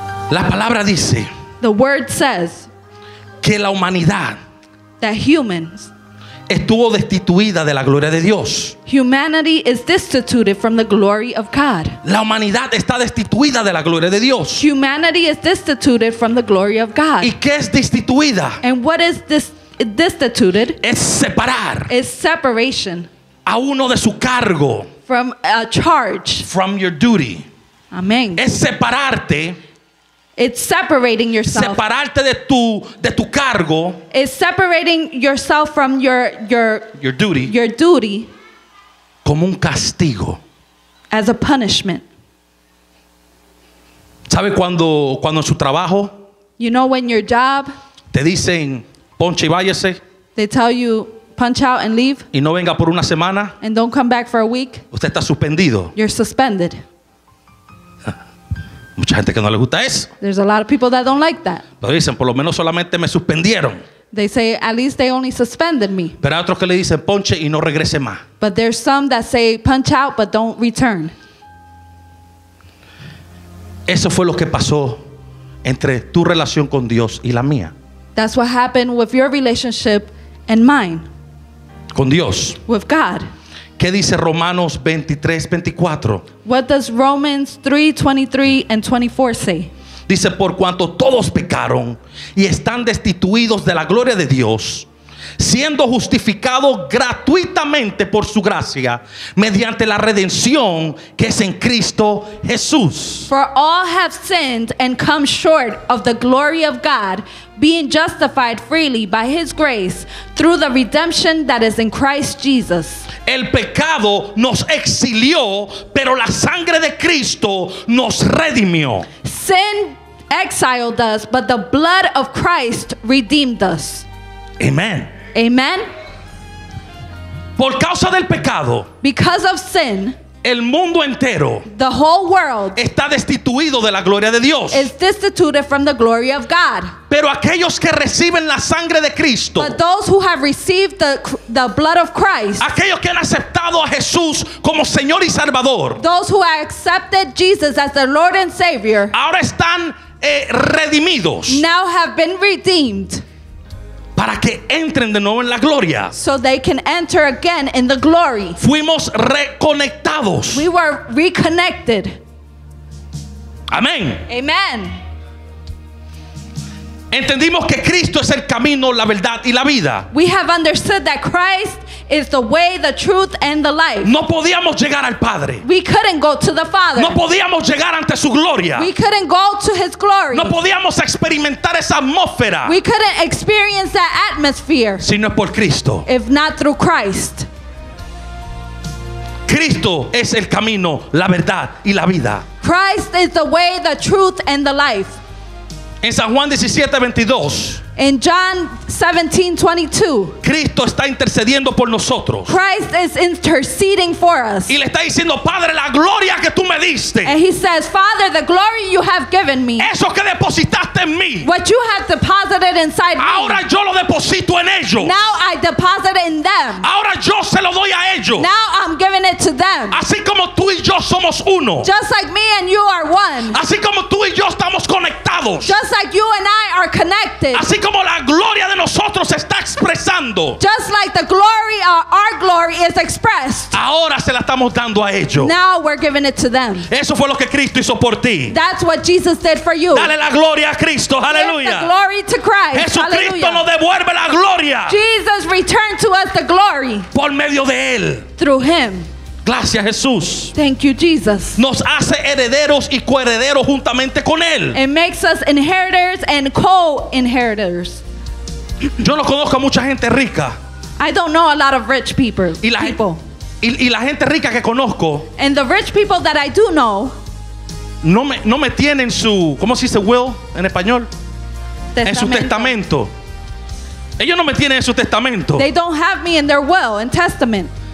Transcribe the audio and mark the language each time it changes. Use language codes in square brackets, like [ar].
[es] La palabra dice. [en] The word says. [es] Que la humanidad. [en] That humans. [es] Estuvo destituida de la gloria de Dios. [en] Humanity is destituted from the glory of God. [es] La humanidad está destituida de la gloria de Dios. [en] Humanity is destituted from the glory of God. [es] ¿Y qué es destituida? [en] And what is destituted? [es] Es separar. [en] Is separation. [es] A uno de su cargo. [en] From a charge. From your duty. [es] Amén. Es separarte. [en] It's separating yourself. [es] Separarte de tu cargo. [en] It's separating yourself from your duty. Your duty. [es] Como un castigo. [en] As a punishment. [es] ¿Sabe cuando en su trabajo? [en] You know when your job. [es] Te dicen ponche y váyase. [en] They tell you punch out and leave. [es] Y no venga por una semana. [en] And don't come back for a week. [es] Usted está suspendido. [en] You're suspended. [es] Mucha gente que no le gusta eso. [en] There's a lot of people that don't like that. [es] Lo dicen, por lo menos solamente me suspendieron. [en] They say, at least they only suspended me. [es] Pero hay otros que le dicen, ponche y no regrese más. [en] But there's some that say, punch out, but don't return. [es] Eso fue lo que pasó entre tu relación con Dios y la mía. [en] That's what happened with your relationship and mine. [es] Con Dios. [en] With God. [es] ¿Qué dice Romanos 23, 24? [en] What does Romans 3, 23 and 24 say? [es] Dice, por cuanto todos pecaron y están destituidos de la gloria de Dios, siendo justificados gratuitamente por su gracia, mediante la redención que es en Cristo Jesús. [en] For all have sinned and come short of the glory of God, being justified freely by his grace through the redemption that is in Christ Jesus. [es] El pecado nos exilió, pero la sangre de Cristo nos redimió. [en] Sin exiled us, but the blood of Christ redeemed us. Amen. Amen. [es] Por causa del pecado. [en] Because of sin. [es] El mundo entero. [en] The whole world. [es] Está destituido de la gloria de Dios. [en] Is destituted from the glory of God. [es] Pero aquellos que reciben la sangre de Cristo. [en] But those who have received the blood of Christ. [es] Aquellos que han aceptado a Jesús como Señor y Salvador. [en] Those who have accepted Jesus as their Lord and Savior. [es] Ahora están redimidos. [en] Now have been redeemed. [es] Para que entren de nuevo en la gloria. [en] So they can enter again in the glory. [es] Fuimos reconectados. [en] We were reconnected. [es] Amén. [en] Amen. [es] Entendimos que Cristo es el camino, la verdad y la vida. [en] We have understood that Christ is the way, the truth, and the life. [es] No podíamos llegar al Padre. [en] We couldn't go to the Father. [es] No podíamos llegar ante su gloria. [en] We couldn't go to his glory. [es] No podíamos experimentar esa atmósfera. [en] We couldn't experience that atmosphere. [es] Si no es por Cristo. [en] If not through Christ. [es] Cristo es el camino, la verdad y la vida. [en] Christ is the way, the truth, and the life. [es] En San Juan 17:22. [en] In John 17:22, [es] Cristo está intercediendo por nosotros. [en] Christ is interceding for us. [es] Y le está diciendo, Padre, la gloria que tú me diste. [en] And he says, Father, the glory you have given me. [es] Eso que depositaste en mí. [en] What you have deposited inside me. [es] Ahora yo lo deposito en ellos. [en] Now I deposit in them. [es] Ahora yo se lo doy a ellos. [en] Now I'm giving it to them. [es] Así como tú y yo somos uno. [en] Just like me and you are one. [es] Así como tú y yo estamos conectados. [en] Just like you and I are connected. [es] Así como la gloria de nosotros está expresando. [en] Just like the glory, our glory is expressed. [es] Ahora se la estamos dando a ellos. [en] Now we're giving it to them. [es] Eso fue lo que Cristo hizo por ti. [en] That's what Jesus did for you. [es] Dale la gloria a Cristo. Aleluya. [en] Give the glory to Christ. [es] Jesucristo nos devuelve la gloria. [en] Jesus returned to us the glory. [es] Por medio de él. [en] Through him. [es] Gracias, Jesús. [en] Thank you, Jesus. [es] Nos hace herederos y coherederos juntamente con él. [en] It makes us inheritors and co-inheritors. [es] Yo no conozco a mucha gente rica. [en] I don't know a lot of rich people. [es] Y la gente rica que conozco. [en] And the rich people that I do know. [es] No me tienen su, ¿cómo se dice will en español? Testamento. En su testamento. Ellos no me tienen en su testamento. [en] They don't have me in their will and testament.